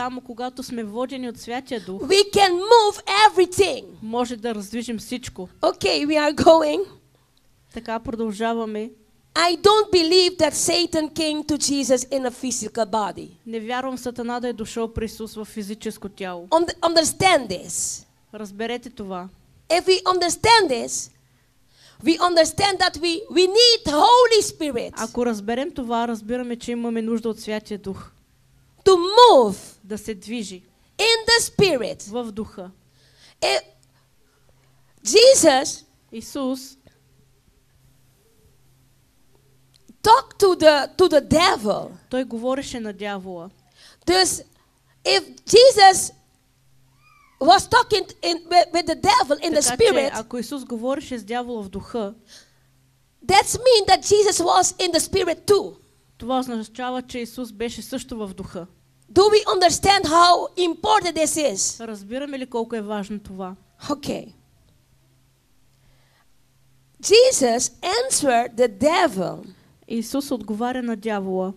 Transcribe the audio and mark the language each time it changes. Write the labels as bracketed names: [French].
[Bulgarian] само когато сме водени от Святия Дух, [English] we can move everything. [Bulgarian] Може да раздвижим всичко. [English] Okay, we are going. [Bulgarian] Така продължаваме. [English] I don't believe that Satan came to Jesus in a physical body. [Bulgarian] Не вярвам Сатана да е дошъл при Исус в физическо тяло. [English] Understand this. [Bulgarian] Разберете това. [English] If we understand this, we understand that we need Holy Spirit. [Bulgarian] Ако разберем това, разбираме, че имаме нужда от Святия Дух. [English] To move. [Bulgarian] Да се движи. [English] In the Spirit. [Bulgarian] В духа. [English] Jesus. [Bulgarian] Исус. [English] Talk to the devil. [Bulgarian] Той говореше на дявола. [English] Thus, if Jesus was talking with the devil in the spirit, [Bulgarian] така че ако Исус говореше с дявола в духа, [English] that means that Jesus was in the spirit too. [Bulgarian] Това означава, че Исус беше също в духа. [English] Do we understand how important this is? [Bulgarian] Разбираме ли колко е важно това? [English] Okay. Jesus answered the devil. [Bulgarian] Исус отговаря на дявола.